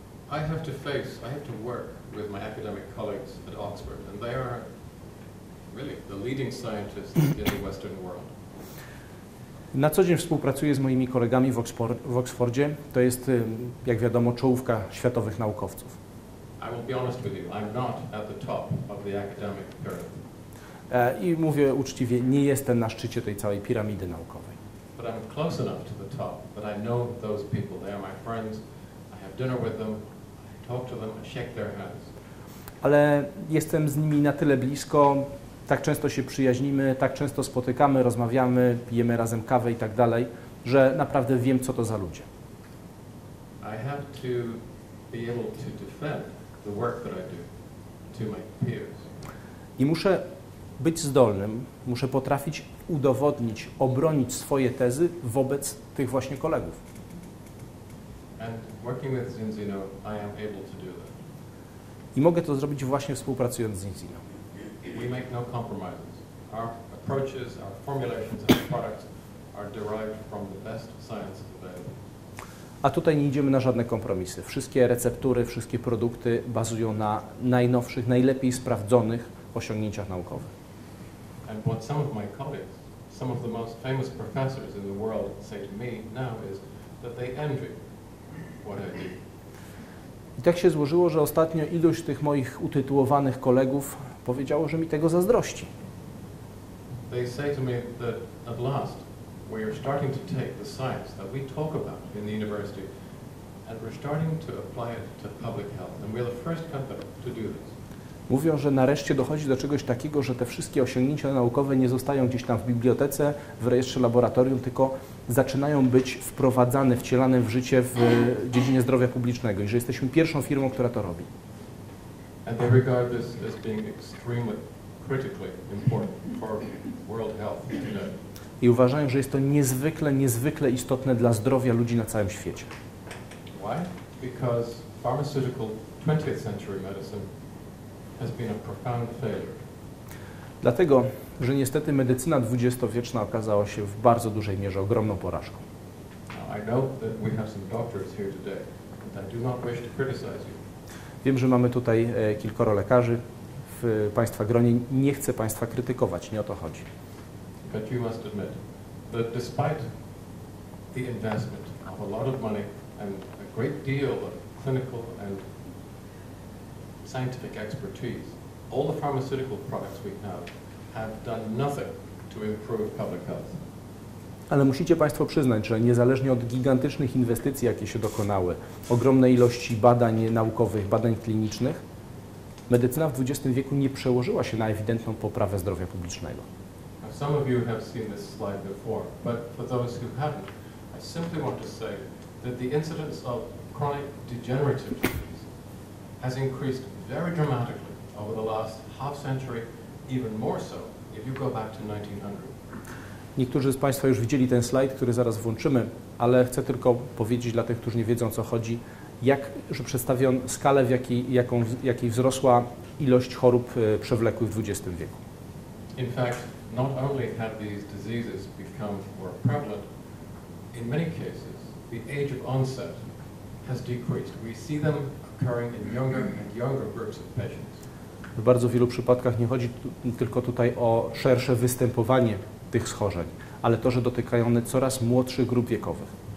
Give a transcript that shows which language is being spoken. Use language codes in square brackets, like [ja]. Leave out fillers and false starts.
[en] I have to work. With my academic colleagues at Oxford, and they are really the leading scientists in the Western world. [pl] Na co dzień współpracuję z moimi kolegami w Oxfordzie. To jest, jak wiadomo, czołówka światowych naukowców. [en] I will be honest with you. I'm not at the top of the academic pyramid. [pl] I mówię uczciwie, nie jestem na szczycie tej całej piramidy naukowej. [en] But I'm close enough to the top that I know those people. They are my friends. I have dinner with them. Talk to them, shake their hands. [pl] Ale jestem z nimi na tyle blisko, tak często się przyjaźnimy, tak często spotykamy, rozmawiamy, pijemy razem kawę i tak dalej, że naprawdę wiem, co to za ludzie. [en] I have to be able to defend the work that I do to my peers. [pl] I muszę być zdolnym, muszę potrafić udowodnić, obronić swoje tezy wobec tych właśnie kolegów. [en] And working with Zinzino, I am able to do that. [pl] I mogę to zrobić właśnie współpracując z Zinzino. [en] We make no compromises. Our approaches, our formulations, our products are derived from the best science available. [pl] A tutaj nie idziemy na żadne kompromisy. Wszystkie receptury, wszystkie produkty bazują na najnowszych, najlepiej sprawdzonych osiągnięciach naukowych. [en] And what some of my colleagues, some of the most famous professors in the world say to me now is that they envy. [pl] I tak się złożyło, że ostatnio ilość tych moich utytułowanych kolegów powiedziało, że mi tego zazdrości. [en] They say to me that at last we are starting to take the science that we talk about in the university and we're starting to apply it to public health and we're the first company to do this. [pl] Mówią, że nareszcie dochodzi do czegoś takiego, że te wszystkie osiągnięcia naukowe nie zostają gdzieś tam w bibliotece, w rejestrze laboratorium, tylko zaczynają być wprowadzane, wcielane w życie w dziedzinie zdrowia publicznego i że jesteśmy pierwszą firmą, która to robi. [en] And they regard this as being extremely critically important for world health today. [pl] I uważają, że jest to niezwykle, niezwykle istotne dla zdrowia ludzi na całym świecie. [en] Why? Because pharmaceutical 20th century medicine has been a profound failure. [pl] Dlatego, że niestety medycyna dwudziestowieczna okazała się w bardzo dużej mierze ogromną porażką. [en] I know that we have some doctors here today, but I do not wish to criticize you. [pl] Wiem, że mamy tutaj kilkoro lekarzy w Państwa gronie. Nie chcę Państwa krytykować, nie o to chodzi. [en] But you must admit that despite the investment of a lot of money and a great deal of clinical and scientific expertise. All the pharmaceutical products we have done nothing to improve public health. [pl] Ale musicie Państwo przyznać, że niezależnie od gigantycznych inwestycji, jakie się dokonały, ogromnej ilości badań naukowych, badań klinicznych, medycyna w XX wieku nie przełożyła się na ewidentną poprawę zdrowia publicznego. [en] Some of you have seen this slide before, but for those who haven't, I simply want to say that the incidence of chronic degenerative disease has increased very dramatically over the last half century, even more so if you go back to 1900. [pl] Niektórzy z Państwa już widzieli ten slajd, który zaraz włączymy, ale chcę tylko powiedzieć dla tych, którzy nie wiedzą, co chodzi, że przedstawi on skalę, w jakiej wzrosła ilość chorób przewlekłych w XX wieku. [en] In fact, not only have these diseases become more prevalent, in many cases, the age of onset has decreased. We see them occurring in younger and younger groups of patients. [pl] W bardzo wielu przypadkach nie chodzi tylko tutaj o szersze występowanie tych schorzeń, ale to, że dotykają one coraz młodszych grup wiekowych.